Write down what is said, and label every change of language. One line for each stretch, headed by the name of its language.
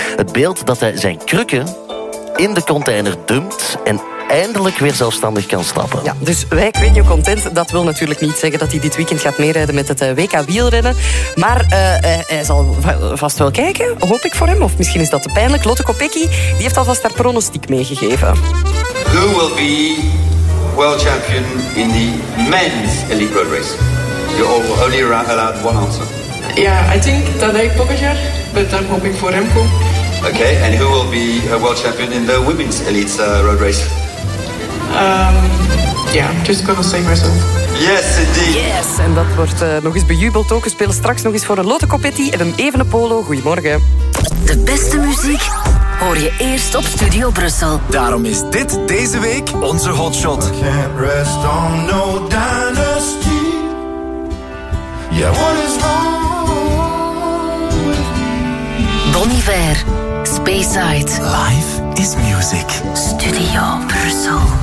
Dutch: Het beeld dat hij zijn krukken in de container dumpt en eindelijk weer zelfstandig kan stappen. Ja, dus wij, Quenio Content, dat wil natuurlijk niet zeggen dat hij dit weekend gaat meerijden met het WK wielrennen. Maar hij zal vast wel kijken, hoop ik voor hem. Of misschien is dat te pijnlijk. Lotte Kopecky, die heeft alvast haar pronostiek meegegeven.
English: Who will be world champion in the men's elite road race? You're only allowed one answer. Yeah, I think Tadej Pogacar, but I'm hoping for Remco. Okay, and who will be a world champion in the women's elite road race? Yes, indeed.
Dutch: Yes, en dat wordt nog eens bejubeld ook. We spelen straks nog eens voor een Lotte Kopecky en een Evene Polo. Goedemorgen. De beste muziek hoor je eerst op Studio Brussel. Daarom is dit deze week onze hotshot.
English: I can't rest on no dynasty. Yeah, what is wrong? Bon Iver, Speyside. Life is music.
Dutch: Studio Brussel.